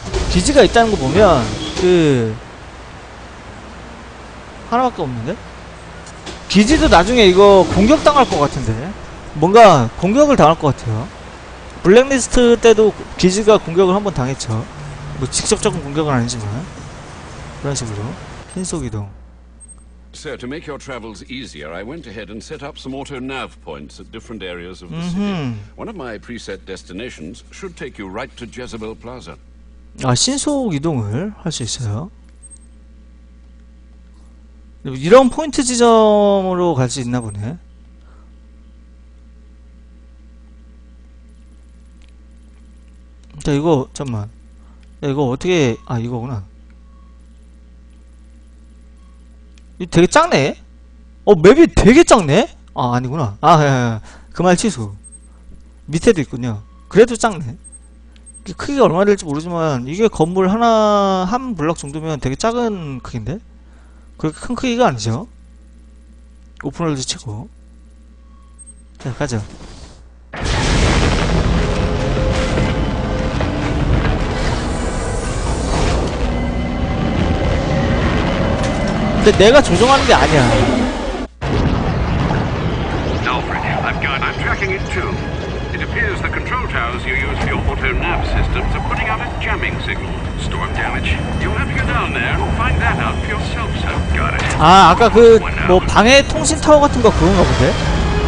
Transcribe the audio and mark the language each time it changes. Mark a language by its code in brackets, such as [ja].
[ko] 기지가 있다는 거 보면 그 하나밖에 없는데? 기지도 나중에 이거 공격당할 것 같은데? 뭔가 공격을 당할 것 같아요. 블랙리스트 때도 기지가 공격을 한번 당했죠. 뭐 직접적인 공격은 아니지만 그런 식으로 신속 이동. [en] Sir, to make your travels easier, I went ahead and set up some auto nav points at different areas of the city. One of my preset destinations should take you right to Jezebel Plaza. [ko] 아, 신속 이동을 할 수 있어요. 이런 포인트 지점으로 갈 수 있나 보네. 자 이거 잠만 이거 어떻게 이거구나 이거 되게 작네. 맵이 되게 작네. 아니구나. 그 말 취소. 밑에도 있군요. 그래도 작네. 크기가 얼마나 될지 모르지만 이게 건물 하나 한 블럭 정도면 되게 작은 크기인데 그렇게 큰 크기가 아니죠. 오픈월드 치고 자 가자. 근데 내가 조종하는 게 아니야. [en] Alfred, I'm tracking it too. It appears the control towers you use for your auto nav systems are putting out a jamming signal. Storm damage. You'll have to go down there and find that out for yourself, so got it. [ko] 아, 아까 그 뭐 방해 통신 타워 같은 거 그런가 본데?